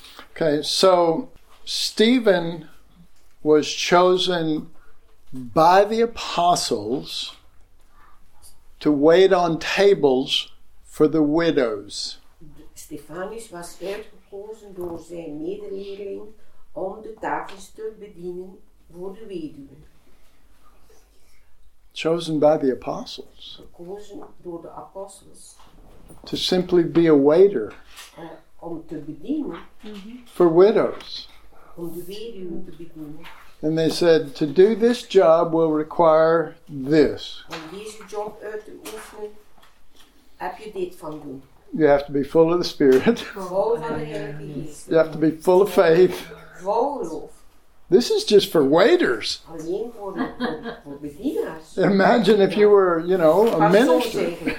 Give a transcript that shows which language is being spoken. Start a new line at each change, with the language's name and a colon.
English: Okay, so Stephen was chosen by the apostles to wait on tables for the widows.
Dutch: Stephanus was uitgekozen door zijn medeleerling om de tafels te bedienen voor de weduwen.
English: Chosen by the apostles.
Dutch: Gekozen door de apostels.
English: To simply be a waiter.
Dutch: Om te bedienen. Mm-hmm.
English: For widows.
Dutch: Om de weduwen te bedienen.
English: And they said, to do this job will require this.
Dutch: Om deze job uit te oefenen, heb je dit van doen.
English: You have to be full of the Spirit.
Dutch: Vol van de Heer.
English: You have to be full of faith.
Dutch: Vol geloof.
English: This is just for waiters.
Dutch: Alleen voor de bedieners.
English: Imagine if you were, you know, a minister.